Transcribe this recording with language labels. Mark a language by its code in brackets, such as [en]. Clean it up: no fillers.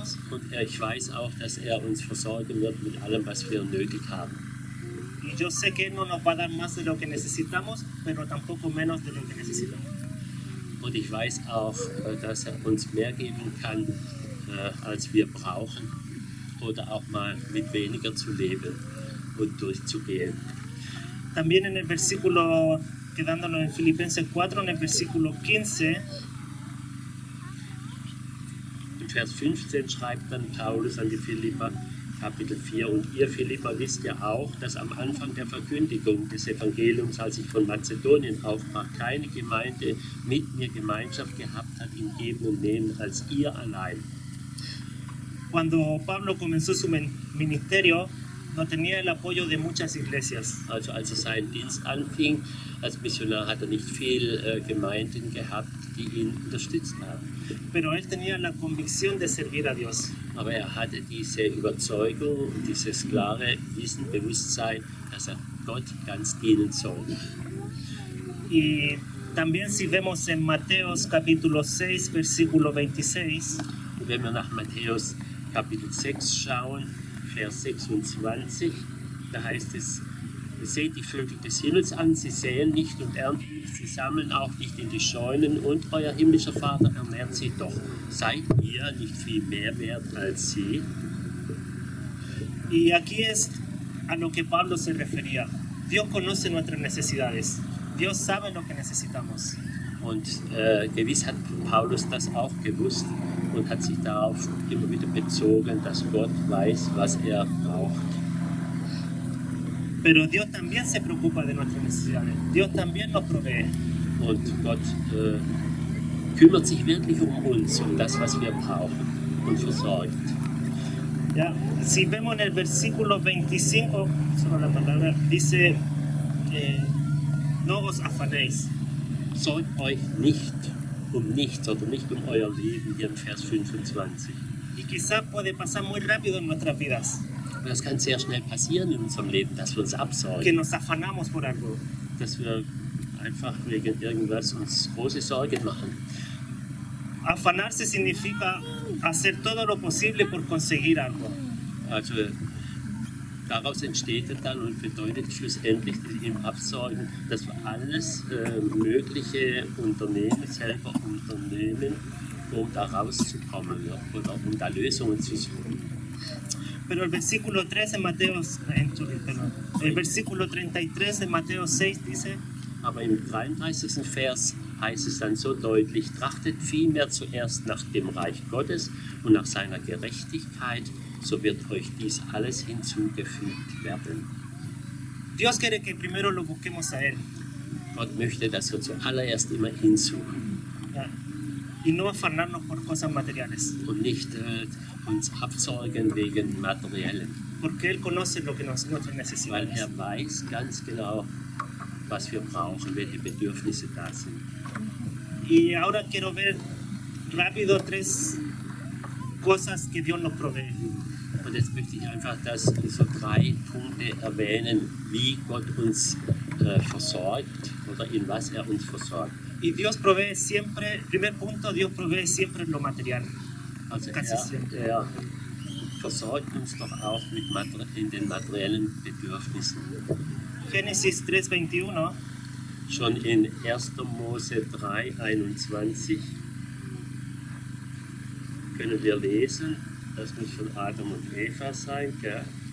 [de] Und ich weiß auch, dass er uns versorgen wird mit allem, was wir nötig haben. [es] Y yo sé que no nos va a dar más de lo que necesitamos, pero tampoco menos de lo que necesitamos. [de] Und ich weiß auch, dass er uns mehr geben kann, als wir brauchen, oder auch mal mit weniger zu leben und durchzugehen. [es] También en el versículo, quedándonos en Filipenses 4, en el versículo 15, [de] im Vers 15 schreibt dann Paulus an die Philipper, Kapitel 4. Und ihr, Philipper, wisst ja auch, dass am Anfang der Verkündigung des Evangeliums, als ich von Mazedonien aufbrach, keine Gemeinde mit mir Gemeinschaft gehabt hat im Geben und Nehmen als ihr allein. [es] Cuando Pablo comenzó su ministerio, no tenía el apoyo de muchas iglesias. [de] Also als er seinen Dienst anfing, als Missionar hat er nicht viele Gemeinden gehabt, die ihn unterstützt haben. [es] Pero él tenía la convicción de servir a Dios. [de] aber er hatte diese Überzeugung und dieses klare Wissen, Bewusstsein, dass er Gott ganz dienen soll. [es] Y también si vemos en Mateos capítulo 6 versículo 26, [de] und wenn wir nach Matthäus Kapitel 6 schauen, Vers 26, da heißt es: Seht die Vögel des Himmels an, sie säen nicht und ernten nicht, sie sammeln auch nicht in die Scheunen, und euer himmlischer Vater ernährt sie doch. Seid ihr nicht viel mehr wert als sie? [es] Y aquí es a lo que Pablo se refería. Dios conoce nuestras necesidades. Dios sabe lo que necesitamos. [de] Und gewiss hat Paulus das auch gewusst und hat sich darauf immer wieder bezogen, dass Gott weiß, was er braucht. [es] Pero Dios también se preocupa de nuestras necesidades. Dios también nos provee. [de] Und Gott kümmert sich wirklich um uns, um das, was wir brauchen, und versorgt. [es] Ja, si vemos en el versículo 25, solo la palabra, dice, no os afanéis. [de] Sorgt euch nicht um nichts oder nicht um euer Leben, hier im Vers 25. [es] Y quizá puede pasar muy rápido en nuestras vidas. [de] Das kann sehr schnell passieren in unserem Leben, dass wir uns absorgen. [es] Que nos afanamos por algo. [de] Dass wir einfach wegen irgendwas uns große Sorgen machen. [es] Afanarse significa hacer todo lo posible por conseguir algo. [de] Also, daraus entsteht dann und bedeutet schlussendlich im Absorgen, dass wir alles Mögliche unternehmen, selber unternehmen, um da rauszukommen, ja, oder um da Lösungen zu suchen. [es] Pero el versículo 3 de Mateos, el versículo 33 de Mateos 6 dice, [de] aber im 33. Vers heißt es dann so deutlich: Trachtet vielmehr zuerst nach dem Reich Gottes und nach seiner Gerechtigkeit, so wird euch dies alles hinzugefügt werden. [es] Dios quiere que primero lo busquemos a él. [de] Gott möchte, dass wir zuallererst immer ihn suchen. [es] Ja. Y no afanarnos por cosas materiales. [de] Und nicht uns abzeugen wegen Materiellen. [es] Porque él conoce lo que nosotros necesitamos. [de] Weil er weiß ganz genau, was wir brauchen, welche Bedürfnisse da sind. [es] Y ahora quiero ver rápido tres cosas que Dios nos provee. [de] Und jetzt möchte ich einfach das so drei Punkte erwähnen, wie Gott uns versorgt oder in was er uns versorgt. [es] Y Dios provee siempre, primer punto, Dios provee siempre lo material. [de] Also er versorgt uns doch auch mit in den materiellen Bedürfnissen. [es] Genesis 3:21. [de] Schon in 1. Mose 3:21 können wir lesen, das muss von Adam und Eva sein, gell?